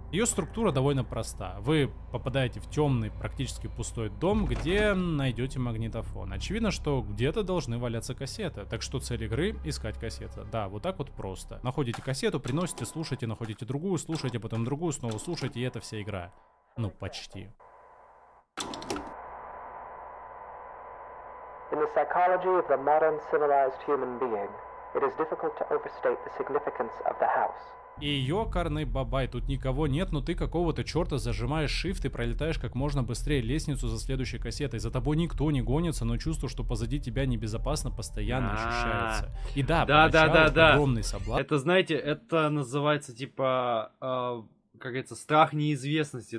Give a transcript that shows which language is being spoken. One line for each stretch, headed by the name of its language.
Russian: Ее структура довольно проста. Вы попадаете в темный, практически пустой дом, где найдете магнитофон. Очевидно, что где-то должны валяться кассеты. Так что цель игры — искать кассеты. Да, вот так вот просто. Находите кассету, приносите, слушаете, находите другую, слушаете, потом другую, снова слушаете, и это вся игра. Ну, почти.
English: In the psychology of the modern civilized human being, it is difficult to overstate the significance of the house.
Russian: И ёкарный бабай, тут никого нет, но ты какого-то чёрта зажимаешь shift и пролетаешь как можно быстрее лестницу за следующей кассетой. За тобой никто не гонится, но чувство, что позади тебя небезопасно, постоянно ощущается. И да, поначалу огромный соблазн. Это, знаете, это называется, типа, как говорится, страх неизвестности.